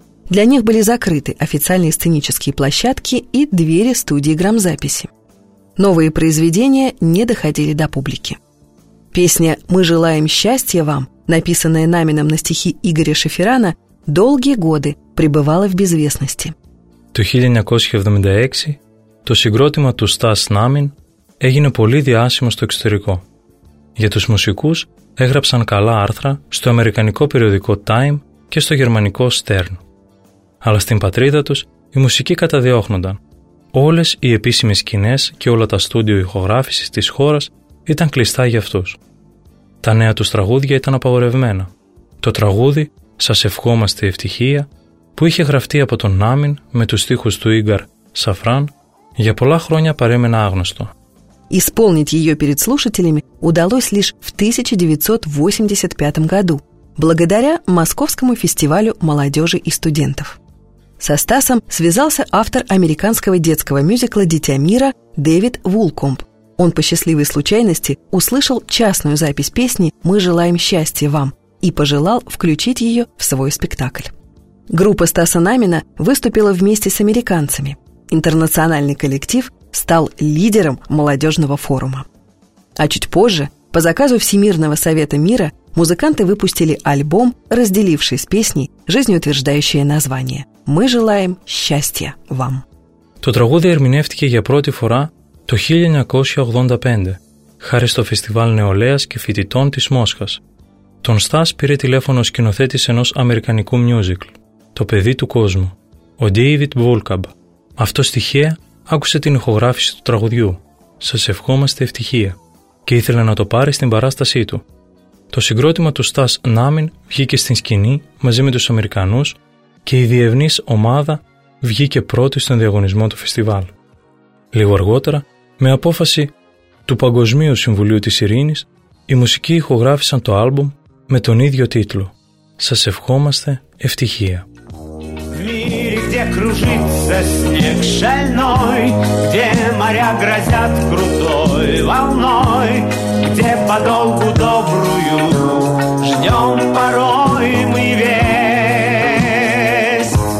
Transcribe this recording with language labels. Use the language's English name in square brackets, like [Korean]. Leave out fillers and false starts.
[Russian] Для них были закрыты официальные сценические площадки и двери студии грамзаписи. Новые произведения не доходили до публики. Песня «Мы желаем счастья вам» написанная Намином на стихи Игоря Шеферана, долгие годы пребывала в безвестности. [Greek] Το 1976 το συγκρότημα του Stas Namin έγινε πολύ διάσημο στο εξωτερικό. Για τους μουσικούς έγραψαν καλά άρθρα στο αμερικανικό περιοδικό Time και στο γερμανικό Stern. Αλλά στην πατρίδα τους οι μουσικοί καταδιώχνονταν. Όλες οι επίσημες σκηνές και όλα τα στούντιο ηχογράφησης της χώρας ήταν κλειστά για αυτούς. Τα νέα τους τραγούδια ήταν απαγορευμένα. Το τραγούδι «Σας ευχόμαστε ευτυχία» που είχε γραφτεί από τον Namin με τους στίχους του Ίγκαρ Σαφράν, για πολλά χρόνια παρέμενε άγνωστο. [Russian] Исполнить ее перед слушателями удалось лишь в 1985 году, благодаря Московскому фестивалю молодежи и студентов. Со Стасом связался автор американского детского мюзикла «Дитя мира» Дэвид Вулкомб. Он по счастливой случайности услышал частную запись песни «Мы желаем счастья вам» и пожелал включить ее в свой спектакль. Группа Стаса Намина выступила вместе с американцами. Интернациональный коллектив стал лидером молодежного форума. А чуть позже, по заказу Всемирного совета мира, музыканты выпустили альбом, разделивший с песней жизнеутверждающее название «Мы желаем счастья вам». [Greek] Το τραγούδι ερμηνεύτηκε για πρώτη φορά το 1985, χάρη στο Φεστιβάλ Νεολαίας και Φοιτητών της Μόσχας. Τον Στάς πήρε τηλέφωνο ο σκηνοθέτης ενός αμερικανικού μιούζικλ, «Το παιδί του κόσμου», ο Ντέιβιντ Βούλκαμπ. Αυτός τυχαία άκουσε την ηχογράφηση του τραγουδιού «Σας ευχόμαστε ευτυχία» και ήθελε να το πάρει στην παράστασή του. Το συγκρότημα του Stas Namin βγήκε στην σκηνή μαζί με τους Αμερικανούς και η διευνής ομάδα βγήκε πρώτη στον διαγωνισμό του φεστιβάλ. Λίγο αργότερα, με απόφαση του Παγκοσμίου Συμβουλίου της Ειρήνης, οι μουσικοί ηχογράφησαν το άλμπουμ με τον ίδιο τίτλο «Σας ευχόμαστε ευτυχία». [Russian] Где кружится снег шальной, где моря грозят крутой волной, где подолгу добрую ждем порой мы весть.